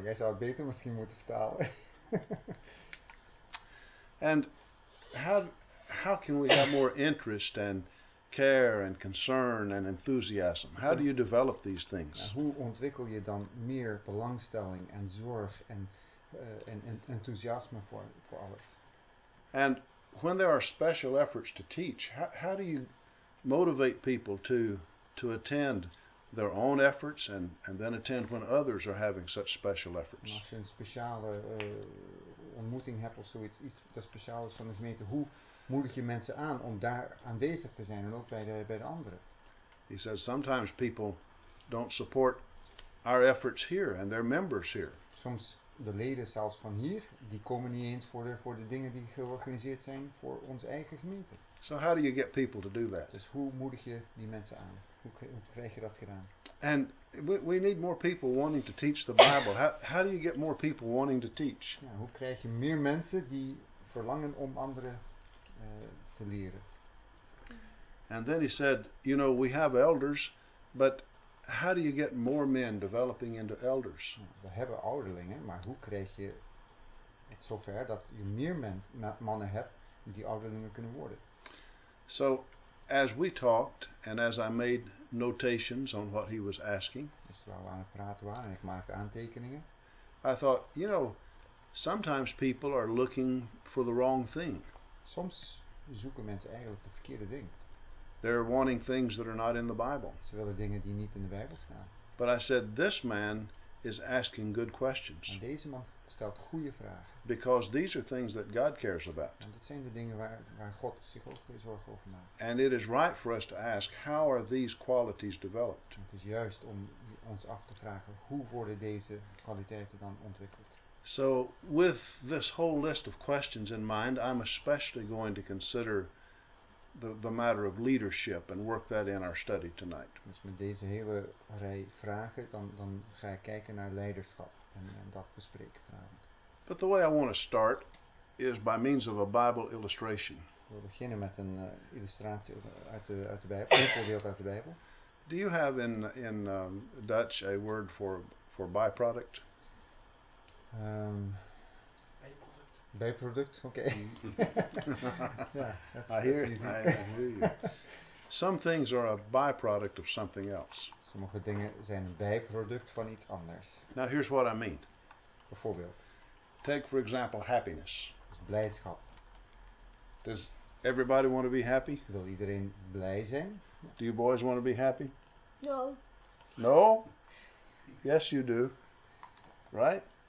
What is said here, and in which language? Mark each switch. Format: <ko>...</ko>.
<nl>Jij zou het beter misschien moeten vertalen.</nl> <en>And how can we have more interest and care and concern and enthusiasm? How do you develop these things?</en> <nl>Hoe ontwikkel je dan meer belangstelling en zorg en enthousiasme voor alles?</nl> <en>And when there are special efforts to teach, how do you motivate people to attend their own efforts and then attend when others are having such special efforts?</en> <nl>Als je een speciale ontmoeting hebt of zoiets, iets dat speciaal is van de gemeente, hoe moedig je mensen aan om daar aanwezig te zijn en ook bij de anderen?</nl> <en>He says sometimes people don't support our efforts here and their members here.</en> <nl>Soms de leden zelfs van hier, die komen niet eens voor de dingen die georganiseerd zijn voor onze eigen gemeente.</nl> <en>So how do you get people to do that?</en> <nl>Dus hoe moedig je die mensen aan? Hoe krijg je dat gedaan?</nl> <en>And we need more people wanting to teach the Bible. How do you get more people wanting to teach?</en> <nl>Ja, hoe krijg je meer mensen die verlangen om anderen te leren?</nl> <en>And then he said, you know, we have elders, but how do you get more men developing into elders?</en> <nl>We hebben ouderlingen, maar hoe krijg je het zover dat je meer mannen hebt die ouderlingen kunnen worden?</nl> <en>So, as we talked, and as I made notations on what he was asking,</en> <nl>dus terwijl we aan het praten waren en ik maakte aantekeningen,</nl> <en>I thought, you know, sometimes people are looking for the wrong thing.</en> <nl>Soms zoeken mensen eigenlijk de verkeerde ding.</nl> <en>They're wanting things that are not in the Bible.</en> <nl>Ze willen dingen die niet in de Bijbel staan.</nl> <en>But I said, this man is asking good questions.</en> <nl>En deze man stelt goede vragen.</nl> <en>Because these are things that God cares about.</en> <nl>En dat zijn de dingen waar God zich ook geen zorgen over maakt.</nl> <en>And it is right for us to ask, how are these qualities developed?</en> <nl>Het is juist om ons af te vragen, hoe worden deze kwaliteiten dan ontwikkeld?</nl> <en>So, with this whole list of questions in mind, I'm especially going to consider the matter of leadership and work that in our study tonight.</en> <nl>Dus met deze hele rij vragen, dan ga ik kijken naar leiderschap en dat bespreken vanavond.</nl> <en>But the way I want to start is by means of a Bible illustration.</en> <nl>We beginnen met een illustratie uit de Bijbel, een voorbeeld uit de Bijbel.</nl> <en>Do you have in Dutch a word for byproduct?</en> <nl>Bijproduct, okay.</nl> <en>I hear you. Some things are a byproduct of something else.</en> <nl>Sommige dingen zijn een bijproduct van iets anders.</nl> <en>Now here's what I mean.</en> <nl>Bijvoorbeeld.</nl> <en>Take for example happiness.</en> <nl>Blijdschap.</nl> <en>Does everybody want to be happy?</en> <nl>Wil iedereen blij zijn?</nl> <en>Do you boys want to be happy? No. No? Yes, you do. Right?</en>